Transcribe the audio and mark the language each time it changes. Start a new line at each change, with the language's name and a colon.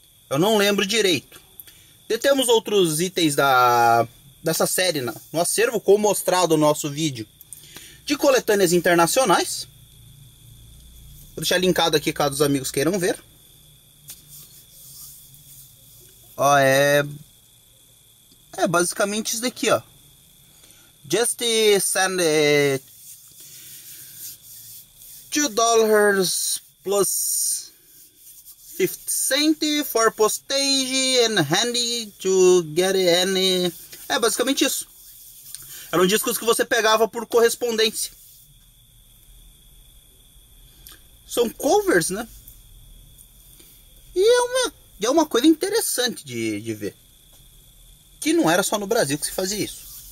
Portuguese: Eu não lembro direito. Detemos outros itens dessa série no acervo, como mostrado no nosso vídeo de coletâneas internacionais. Vou deixar linkado aqui caso os amigos queiram ver. Ó, é basicamente isso daqui, ó.
English: Just send $2 plus 50 cents for postage and handy to get any.
Portuguese: É basicamente isso. Eram discos que você pegava por correspondência. São covers, né? E é uma coisa interessante de ver. Que não era só no Brasil que se fazia isso.